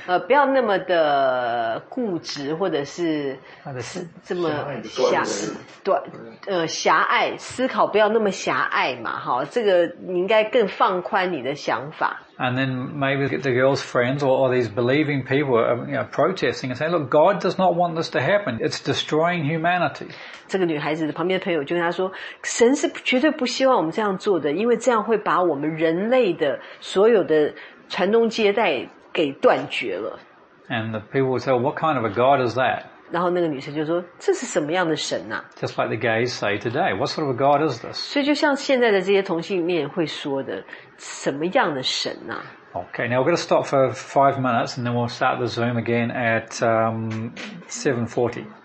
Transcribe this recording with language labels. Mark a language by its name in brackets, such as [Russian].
[Chinese] 不要那么的固执或者是这么狭隘，思考不要那么狭隘嘛，哈，这个你应该更放宽你的想法。 [English] And then maybe the girl's friends or these believing people are, you know, protesting and saying, look, God does not want this to happen. It's destroying humanity. [Chinese] 这个女孩子旁边的朋友就跟她说，神是绝对不希望我们这样做的，因为这样会把我们人类的所有的传宗接代给断绝了。 [English] And the people would say, well, what kind of a God is that? [Chinese] 然后那个女生就说，这是什么样的神啊？ [English] Just like the gays say today, what sort of a God is this? [Chinese] 所以就像现在的这些同性恋会说的，什么样的神啊？ [English] Okay, now we're going to stop for 5 minutes and then we'll start the Zoom again at 7:40.